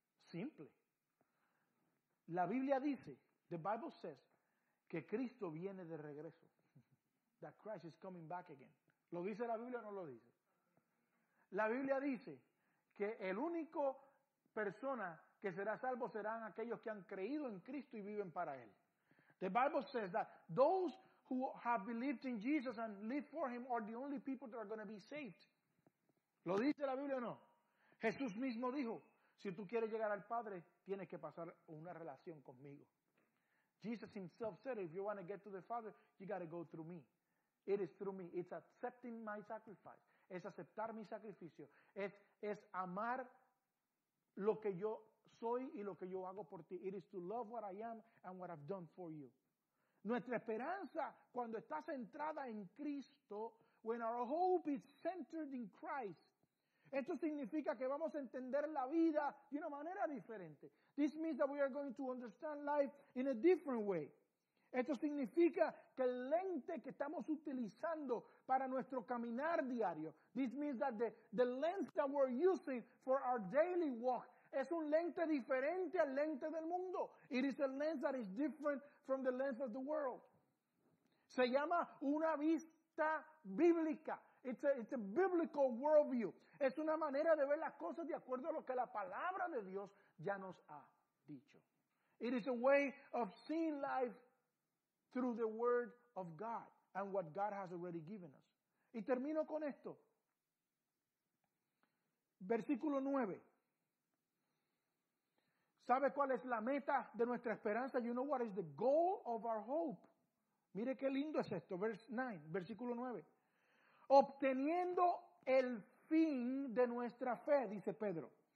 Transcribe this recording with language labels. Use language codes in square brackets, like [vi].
[es] Simple. La Biblia dice, [en] the Bible says, [es] que Cristo viene de regreso. [en] That Christ is coming back again. [es] ¿Lo dice la Biblia o no lo dice? La Biblia dice que el único persona que será salvo serán aquellos que han creído en Cristo y viven para Él. [en] The Bible says that those who have believed in Jesus and lived for Him are the only people that are going to be saved. [es] ¿Lo dice la Biblia o no? Jesús mismo dijo, si tú quieres llegar al Padre, tienes que pasar una relación conmigo. [en] Jesus himself said, if you want to get to the Father, you got to go through me. It is through me. It's accepting my sacrifice. [es] Es aceptar mi sacrificio. Es amar lo que yo soy y lo que yo hago por ti. [en] It is to love what I am and what I've done for you. [es] Nuestra esperanza, cuando está centrada en Cristo, [en] when our hope is centered in Christ, [es] esto significa que vamos a entender la vida de una manera diferente. [en] This means that we are going to understand life in a different way. [es] Esto significa que el lente que estamos utilizando para nuestro caminar diario, [en] this means that the lens that we're using for our daily walk [es] es un lente diferente al lente del mundo. [en] It is a lens that is different from the lens of the world. [es] Se llama una vista bíblica. [en] It's a biblical worldview. [es] Es una manera de ver las cosas de acuerdo a lo que la palabra de Dios ya nos ha dicho. [en] It is a way of seeing life through the word of God and what God has already given us. [es] Y termino con esto. Versículo 9. ¿Sabe cuál es la meta de nuestra esperanza? [en] You know what is the goal of our hope. [es] Mire qué lindo es esto. Versículo 9. Obteniendo el fin de nuestra fe, dice Pedro.